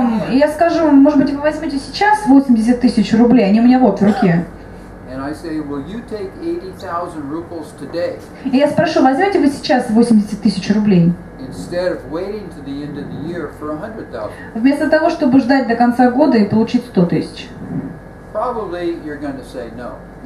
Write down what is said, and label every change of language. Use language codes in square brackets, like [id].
[ru] Я скажу вам, может быть, вы возьмете сейчас 80 тысяч рублей, они у меня вот в руке. [en] And I say, will you take 80,000 rubles today? [ru] И я спрошу, возьмете вы сейчас 80 тысяч рублей? [en] Instead of waiting to the end of the year for 100,000. [ru] Вместо того, чтобы ждать до конца года и получить 100 тысяч. [en] Probably you're going to say no.